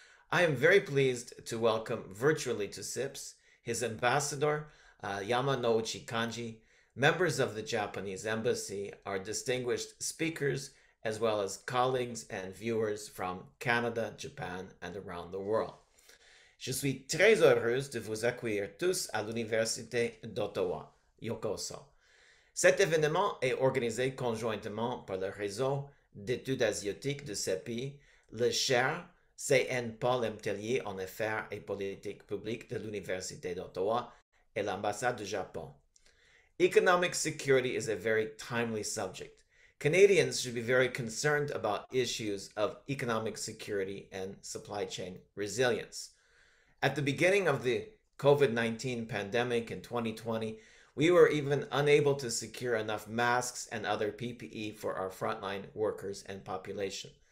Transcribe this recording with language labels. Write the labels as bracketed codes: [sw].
[en] I am very pleased to welcome virtually to CIPS his ambassador, YAMANOUCHI Kanji, members of the Japanese embassy, our distinguished speakers, as well as colleagues and viewers from Canada, Japan, and around the world. [fr] Je suis très heureuse de vous accueillir tous à l'Université d'Ottawa. Yokoso. Cet événement est organisé conjointement par le réseau d'études asiatiques de CEPI, le CHER, CN Paul M. Tellier en affaires et politique publique de l'Université d'Ottawa et l'ambassade du Japon. [en] Economic security is a very timely subject. Canadians should be very concerned about issues of economic security and supply chain resilience. At the beginning of the COVID-19 pandemic in 2020, we were even unable to secure enough masks and other PPE for our frontline workers and population.